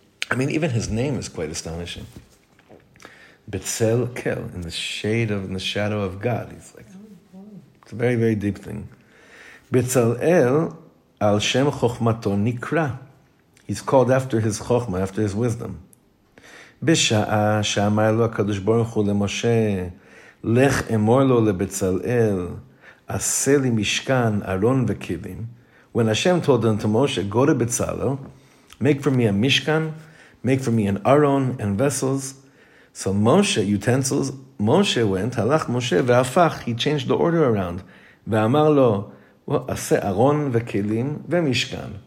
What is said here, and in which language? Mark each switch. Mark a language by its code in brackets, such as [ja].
[en] I mean, even his name is quite astonishing. Betzalel, in the shadow of God. He's like, it's a very, very deep thing. [he] Betzalel al shem chochmato nikra. [en] He's called after his chochma, after his wisdom. [he] בשעה שאמר לו הקדוש ברוך הוא למשה, לך אמור לו לבצלאל, עשה לי משכן, ארון וכלים. [en] When Hashem told him to Moshe, go to Betzalel, make for me a mishkan, make for me an aron and vessels. So Moshe, utensils, Moshe went, [he] הלך משה והפך, [en] he changed the order around. [he] ואמר לו, עשה ארון וכלים ומשכן.